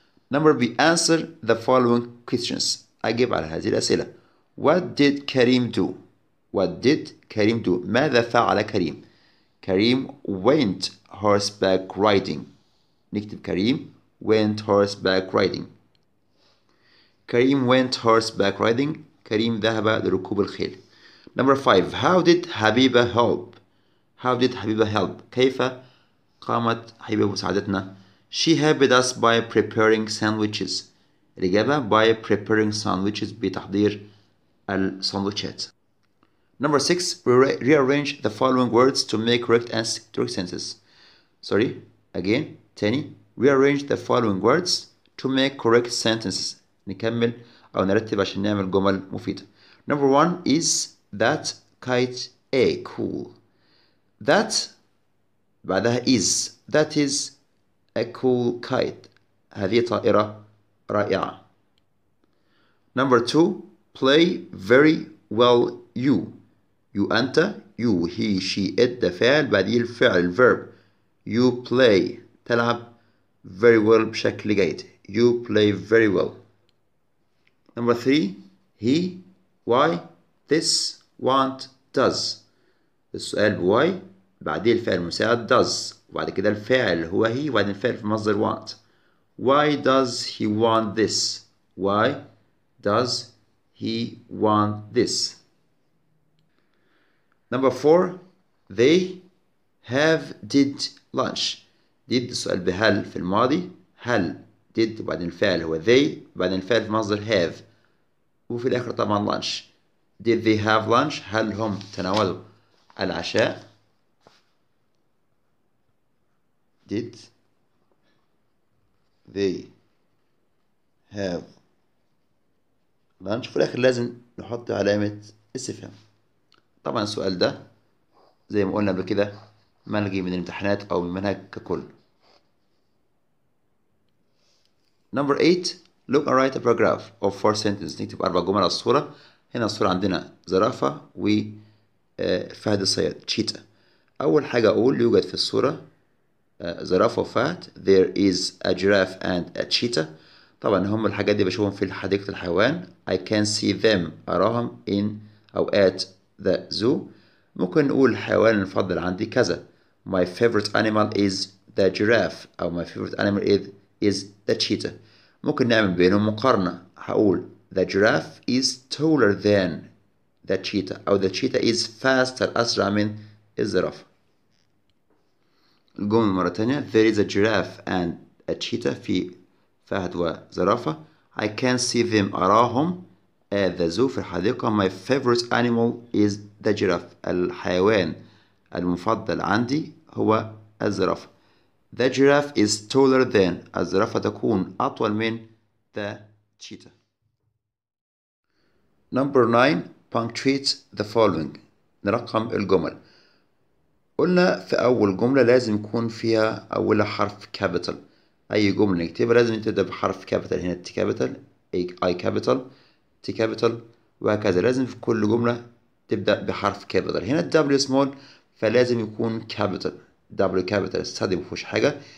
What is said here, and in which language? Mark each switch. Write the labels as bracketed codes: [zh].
[en] Number B, answer the following questions. [ar] أجيب على هذه الأسئلة. [en] What did Karim do? What did Karim do? [ar] ماذا فعل كريم؟ كريم [en] went horseback riding. نكتب كريم went horseback riding. كريم went horseback riding. [ar] كريم ذهب لركوب الخيل. [en] Number five. How did Habiba help? How did Habiba help? [ar] كيف قامت حبيبة بمساعدتنا؟ [en] She helped us by preparing sandwiches. الإجابة by preparing sandwiches, [ar] بتحضير الساندوتشات. [en] Number six. Rearrange the following words to make correct and strict sentences. Sorry. Again. تاني. Rearrange the following words to make correct sentences. [ar] نكمل أو نرتب عشان نعمل جمل مفيدة. [en] Number one is that kite A cool. That بعدها is. That is a cool kite. [ar] هذه طائرة رائعة. [en] Number two, play very well you. You أنت, you, he, she, it, the فعل, [ar] بعدي الفعل, [en] verb. You play, تلعب very well [ar] بشكل جيد. [en] You play very well. Number three, he, why, this, want, does. [ar] السؤال بواي, بعدي الفعل مساعد does. وبعد كده الفعل هو he, وبعد الفعل في مصدر want. [en] Why does he want this? Why does he want this? Number four, they have did lunch. [ar] Did السؤال بهل في الماضي. هل did بعد الفعل هو they, بعد الفعل في مصدر have. وفي الآخر طبعا lunch. [en] Did they have lunch? [ar] هل هم تناولوا العشاء؟ [en] did they have lunch؟ [ar] في الآخر لازم نحط علامة استفهام. طبعا السؤال ده زي ما قلنا قبل كده منهجي من الامتحانات أو من المنهج ككل. [en] Number 8 look and write a paragraph of 4 sentences، [ar] نكتب 4 جمل على الصورة. هنا الصورة عندنا زرافة و فهد الصياد تشيتا. أول حاجة أقول يوجد في الصورة زرافة وفهد. [en] There is a giraffe and a cheetah. [ar] طبعا هم الحاجات دي بشوفهم في حديقة الحيوان. [en] I can see them، أراهم in أو at the zoo. [ar] ممكن نقول الحيوان المفضل عندي كذا. [en] My favorite animal is the giraffe، أو my favorite animal is the cheetah. [ar] ممكن نعمل بينهم مقارنة. [en] هقول the giraffe is taller than the cheetah، أو the cheetah is faster، [ar] أسرع من الزرافة. الجملة مرة تانية. [en] There is a giraffe and a cheetah، [ar] في فهد وزرافة. [en] I can see them، أراهم at the zoo، [ar] في الحديقة. [en] My favorite animal is the giraffe، [ar] الحيوان المفضل عندي هو الزرافة. [en] The giraffe is taller than، [ar] الزرافة تكون أطول من [en] the cheetah. Number 9 punctuate the following، [ar] نرقم الجمل. قلنا في أول جملة لازم يكون فيها أولها حرف كابيتال. أي جملة نكتبها لازم تبدأ بحرف كابيتال، هنا تي كابيتال، أي كابيتال، تي كابيتال، وهكذا. لازم في كل جملة تبدأ بحرف كابيتال. هنا الدبليو سمول فلازم يكون كابيتال، دبليو كابيتال، استدي مفهوش حاجة.